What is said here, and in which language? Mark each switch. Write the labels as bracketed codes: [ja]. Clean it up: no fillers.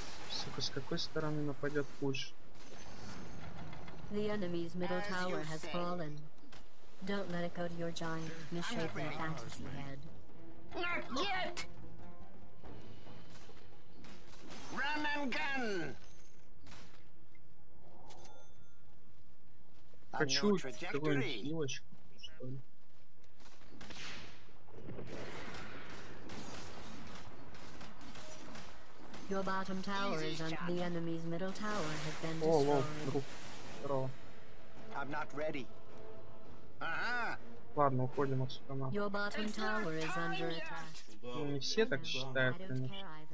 [ru] Сука, с какой стороны нападет пуш? [en] The enemy's middle tower has fallen. Don't let it go to your giant misshapen fantasy head. Not yet. Run and gun. [ru] Хочу какую-нибудь милочку, что ли? [en] Your bottom tower is under the enemy's middle tower has been destroyed. [ru] О, друг. [en] I'm not ready. [ru] Ладно, уходим отсюда. Нахуй. [en] Your bottom tower is under attack. [ru] Ну, не все так считают, конечно.